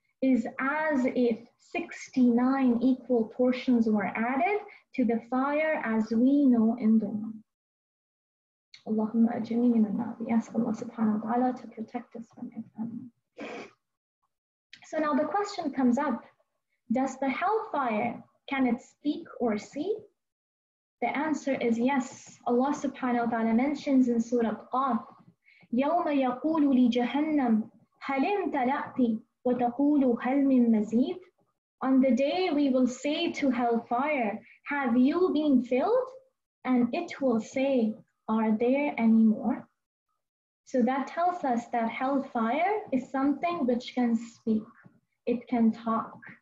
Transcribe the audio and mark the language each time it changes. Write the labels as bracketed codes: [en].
[en] is as if 69 equal portions were added to the fire as we know in Dhamma. [ar] Allahumma ajni min al-na. [en] We ask Allah subhanahu wa ta'ala to protect us from it. So now the question comes up, does the hellfire, can it speak or see? The answer is yes. Allah subhanahu wa ta'ala mentions in Surah Qaf, [ar] يَوْمَ يَقُولُ لِجَهَنَّمْ هَلِمْ تَلَأْتِي وَتَقُولُ هَلْ مِنْ مَزِيدٍ. [en] On the day we will say to hellfire, have you been filled? And it will say, are there any more? So that tells us that hellfire is something which can speak. It can talk.